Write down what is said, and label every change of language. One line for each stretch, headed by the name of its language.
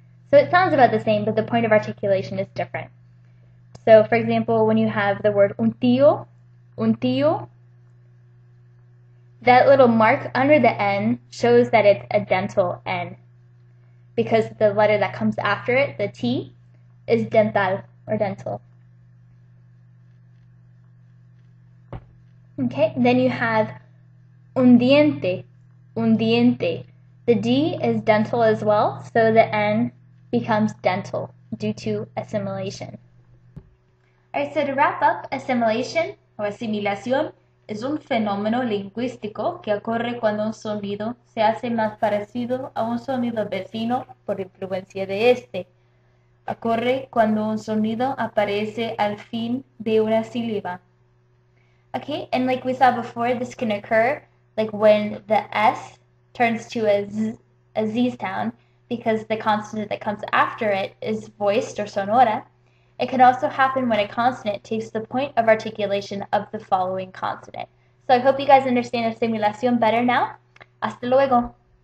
English: So it sounds about the same, but the point of articulation is different. So, for example, when you have the word un tío, that little mark under the N shows that it's a dental N because the letter that comes after it, the T, is dental or dental. Okay, then you have un diente. The D is dental as well, so the N becomes dental due to assimilation. All right, so to wrap up, assimilation or
Spanish: asimilación es un fenómeno lingüístico que ocurre cuando un sonido se hace más parecido a un sonido vecino por influencia de este. Ocurre cuando un sonido aparece al fin de una sílaba.
English: Okay, and like we saw before, this can occur like when the S turns to a Z sound because the consonant that comes after it is voiced or sonora. It can also happen when a consonant takes the point of articulation of the following consonant. So I hope you guys understand Asimilación better now.
Spanish: Hasta luego.